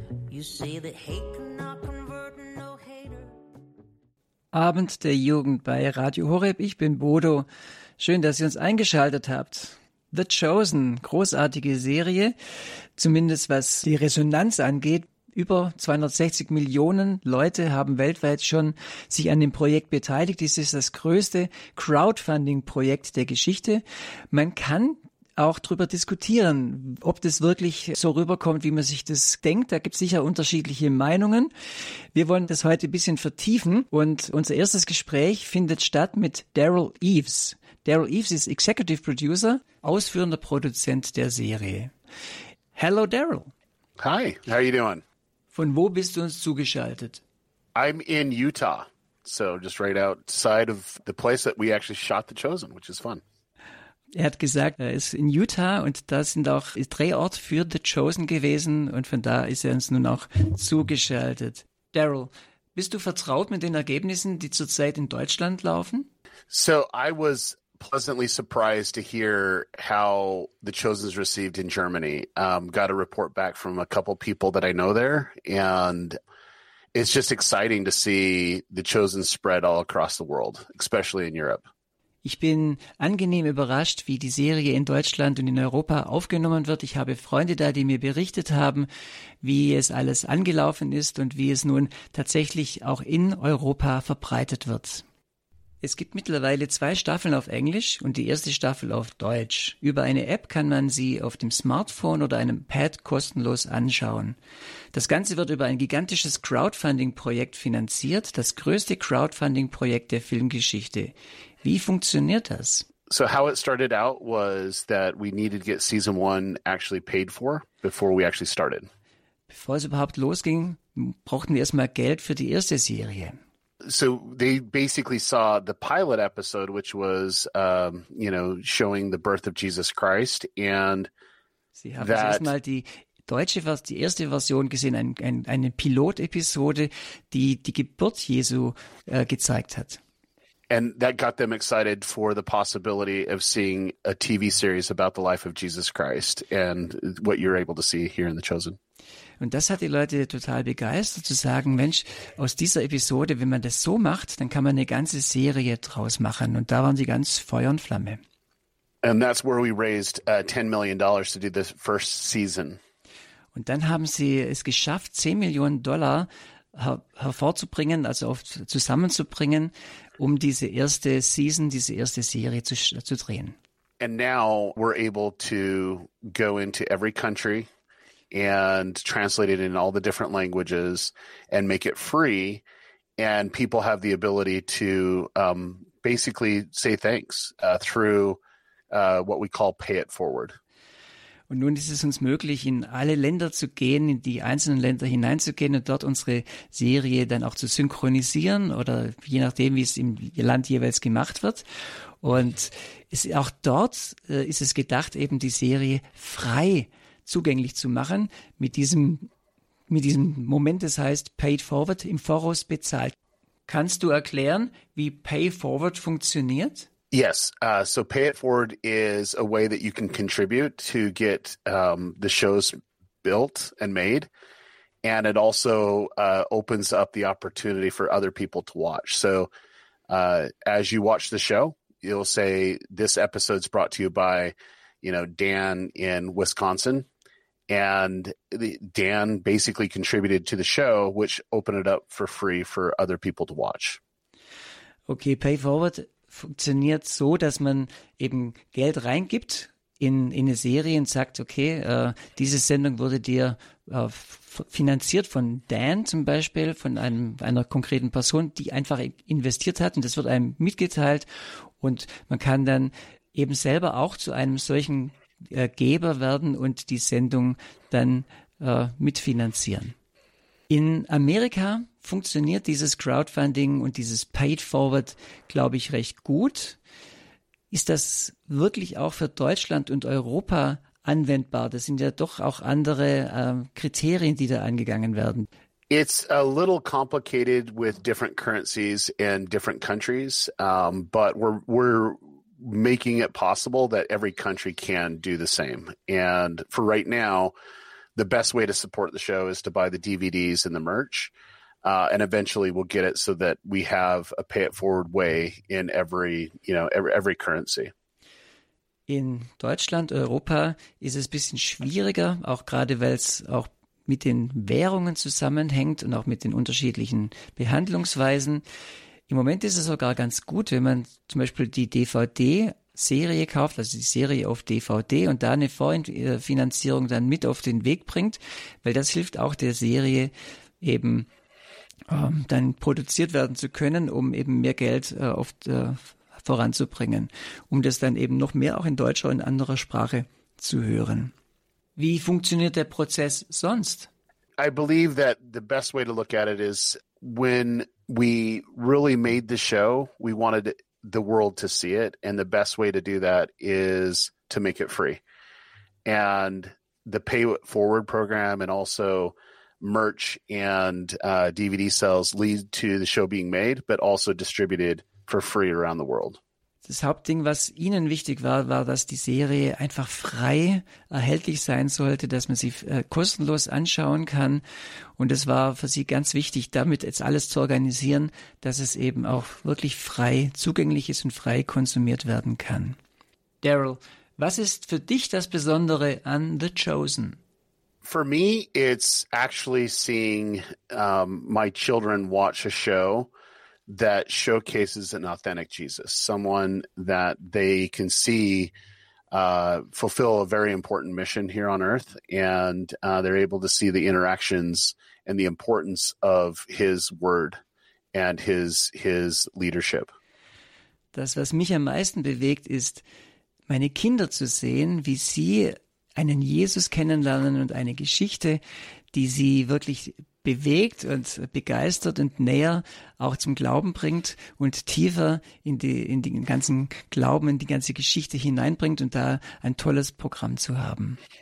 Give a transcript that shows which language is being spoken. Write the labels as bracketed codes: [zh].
[en] You say that hate cannot convert no hater. [de] Abend der Jugend bei Radio Horeb. Ich bin Bodo. Schön, dass ihr uns eingeschaltet habt. The Chosen, großartige Serie, zumindest was die Resonanz angeht. Über 260 Millionen Leute haben weltweit schon sich an dem Projekt beteiligt. Dies ist das größte Crowdfunding-Projekt der Geschichte. Man kann auch darüber diskutieren, ob das wirklich so rüberkommt, wie man sich das denkt. Da gibt es sicher unterschiedliche Meinungen. Wir wollen das heute ein bisschen vertiefen und unser erstes Gespräch findet statt mit Daryl Eaves. Daryl Eaves ist Executive Producer, ausführender Produzent der Serie. [en] Hello Daryl. Hi, how are you doing? [de] Von wo bist du uns zugeschaltet? [en] I'm in Utah, so just right outside of the place that we actually shot The Chosen, which is fun. [de] Er hat gesagt, er ist in Utah und da sind auch Drehort für The Chosen gewesen und von da ist er uns nun auch zugeschaltet. Daryl, bist du vertraut mit den Ergebnissen, die zurzeit in Deutschland laufen? [en] So I was pleasantly surprised to hear how The Chosen is received in Germany. Got a report back from a couple people that I know there and it's just exciting to see The Chosen spread all across the world, especially in Europe. [de] Ich bin angenehm überrascht, wie die Serie in Deutschland und in Europa aufgenommen wird. Ich habe Freunde da, die mir berichtet haben, wie es alles angelaufen ist und wie es nun tatsächlich auch in Europa verbreitet wird. Es gibt mittlerweile zwei Staffeln auf Englisch und die erste Staffel auf Deutsch. Über eine App kann man sie auf dem Smartphone oder einem Pad kostenlos anschauen. Das Ganze wird über ein gigantisches Crowdfunding-Projekt finanziert, das größte Crowdfunding-Projekt der Filmgeschichte. Wie funktioniert das? [en] So how it started out was that we needed to get season one actually paid for before we actually started. [de] Bevor es überhaupt losging, brauchten wir erstmal Geld für die erste Serie. [en] So they basically saw the pilot episode, which was, you know, showing the birth of Jesus Christ. And [de] sie haben erstmal die deutsche, die erste Version gesehen, eine Pilot-Episode, die Geburt Jesu gezeigt hat. [en] And that got them excited for the possibility of seeing a TV series about the life of Jesus Christ and what you're able to see here in The Chosen. [de] Und das hat die Leute total begeistert, zu sagen, Mensch, aus dieser Episode, wenn man das so macht, dann kann man eine ganze Serie draus machen. Und da waren sie ganz Feuer und Flamme. [en] And that's where we raised $10 million to do the first season. [de] Und dann haben sie es geschafft, $10 Millionen hervorzubringen, also oft zusammenzubringen, um diese erste Season, diese erste Serie zu drehen. [en] And now we're able to go into every country and translate it in all the different languages and make it free. And people have the ability to basically say thanks through what we call pay it forward. [de] Und nun ist es uns möglich, in alle Länder zu gehen, in die einzelnen Länder hineinzugehen und dort unsere Serie dann auch zu synchronisieren oder je nachdem, wie es im Land jeweils gemacht wird. Und es, auch dort ist es gedacht, eben die Serie frei zugänglich zu machen mit diesem Moment, das heißt Paid Forward, im Voraus bezahlt. Kannst du erklären, wie Pay Forward funktioniert? [en] Yes. So Pay It Forward is a way that you can contribute to get the shows built and made. And it also opens up the opportunity for other people to watch. So as you watch the show, you'll say, this episode's brought to you by, you know, Dan in Wisconsin. And Dan basically contributed to the show, which opened it up for free for other people to watch. [de] Okay, Pay Forward funktioniert so, dass man eben Geld reingibt in eine Serie und sagt, okay, diese Sendung wurde dir finanziert von Dan zum Beispiel, von einer konkreten Person, die einfach investiert hat, und das wird einem mitgeteilt, und man kann dann eben selber auch zu einem solchen Geber werden und die Sendung dann mitfinanzieren. In Amerika funktioniert dieses Crowdfunding und dieses Paid Forward, glaube ich, recht gut. Ist das wirklich auch für Deutschland und Europa anwendbar? Das sind ja doch auch andere Kriterien, die da angegangen werden. [en] It's a little complicated with different currencies in different countries, but we're making it possible that every country can do the same. And for right now, the best way to support the show is to buy the DVDs and the merch. And eventually we'll get it so that we have a Pay It Forward way in every, you know, every currency. [de] In Deutschland, Europa ist es ein bisschen schwieriger, auch gerade weil es auch mit den Währungen zusammenhängt und auch mit den unterschiedlichen Behandlungsweisen. Im Moment ist es sogar ganz gut, wenn man zum Beispiel die DVD-Serie kauft, also die Serie auf DVD, und da eine Vorfinanzierung dann mit auf den Weg bringt, weil das hilft auch der Serie eben dann produziert werden zu können, um eben mehr Geld voranzubringen, um das dann eben noch mehr auch in deutscher und anderer Sprache zu hören. Wie funktioniert der Prozess sonst? [en] I believe that the best way to look at it is, when we really made the show, we wanted the world to see it, and the best way to do that is to make it free. And the Pay It Forward program and also merch and DVD sales lead to the show being made, but also distributed for free around the world. [de] Das Hauptding, was Ihnen wichtig war, war, dass die Serie einfach frei erhältlich sein sollte, dass man sie kostenlos anschauen kann. Und es war für Sie ganz wichtig, damit jetzt alles zu organisieren, dass es eben auch wirklich frei zugänglich ist und frei konsumiert werden kann. Daryl, was ist für dich das Besondere an The Chosen? [en] For me, it's actually seeing my children watch a show that showcases an authentic Jesus, someone that they can see fulfill a very important mission here on earth, and they're able to see the interactions and the importance of his word and his leadership. [de] Das, was mich am meisten bewegt, ist, meine Kinder zu sehen, wie sie einen Jesus kennenlernen und eine Geschichte, die sie wirklich bewegt und begeistert und näher auch zum Glauben bringt und tiefer in den ganzen Glauben, in die ganze Geschichte hineinbringt, und da ein tolles Programm zu haben.